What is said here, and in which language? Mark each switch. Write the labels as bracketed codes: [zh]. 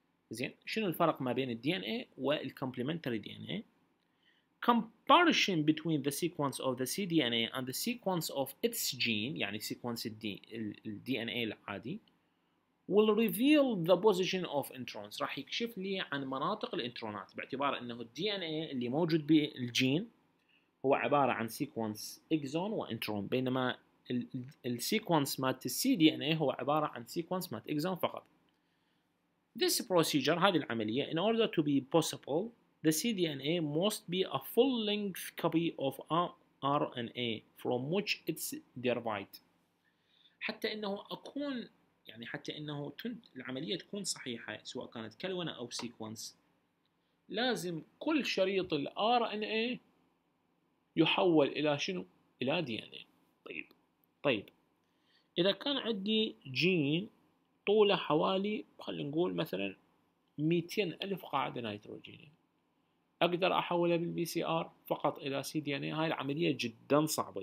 [ar] زين، شنو الفرق ما بين الدي ان اي والكومبلمنتري دي ان اي؟ [en] Comparison between the sequence of the cDNA and the sequence of its gene، [ar] يعني sequence الدي ان اي العادي، [en] will reveal the position of introns، [ar] راح يكشف لي عن مناطق الانترونات، باعتبار انه الدي ان اي اللي موجود بالجين هو عباره عن sequence exon وانترون، بينما السيكونس مالت cDNA هو عباره عن sequence مالت exon فقط. [en] This procedure، [ar] هذه العملية، [en] in order to be possible, the cDNA must be a full-length copy of RNA from which it's derived. [ar] حتى إنه أكون، يعني حتى إنه العملية تكون صحيحة سواء كانت كلونة أو سيكونس، لازم كل شريط الـ RNA يحول إلى شنو؟ إلى DNA. طيب، إذا كان عندي جين طوله حوالي خلينا نقول مثلا 200 الف قاعده نيتروجين، اقدر احوله بالبي سي ار فقط الى سي دي ان اي؟ هاي العمليه جدا صعبه.